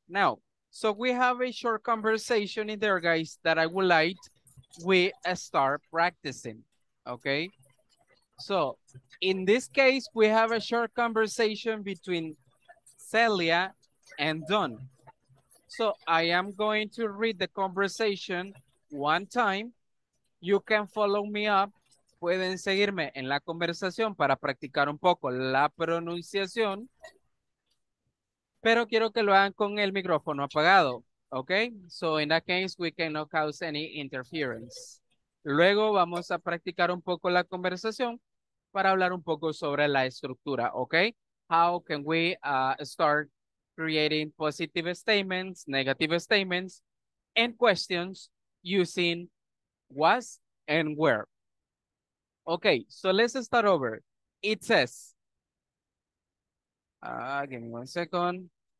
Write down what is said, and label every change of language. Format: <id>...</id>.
<en>Now, so we have a short conversation in there, guys, that I would like we start practicing, okay? So, in this case, we have a short conversation between Celia and Don. So, I am going to read the conversation one time. You can follow me up.</en> <es>Pueden seguirme en la conversación para practicar un poco la pronunciación, pero quiero que lo hagan con el micrófono apagado, ¿ok?</es> <en>So, in that case, we cannot cause any interference.</en> <es>Luego vamos a practicar un poco la conversación para hablar un poco sobre la estructura, ¿ok?</es> <en>How can we start creating positive statements, negative statements, and questions using was and where? Okay, so let's start over. It says, give me one second.</en>